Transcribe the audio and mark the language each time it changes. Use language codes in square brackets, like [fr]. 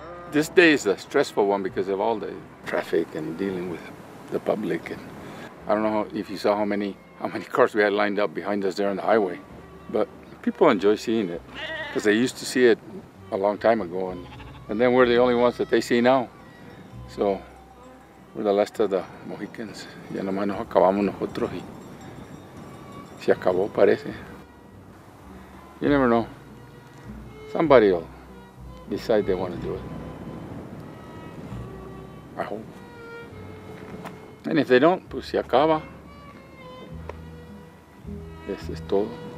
[en] This day is a stressful one because of all the traffic and dealing with the public. And I don't know if you saw how many cars we had lined up behind us there on the highway, but people enjoy seeing it because they used to see it a long time ago, and then we're the only ones that they see now. So we're the last of the Mohicans. [es] Ya nomás nos acabamos nosotros y se acabó, parece. [en] You never know. Somebody will decide they want to do it. I hope. And if they don't, [es] pues se acaba. Eso es todo.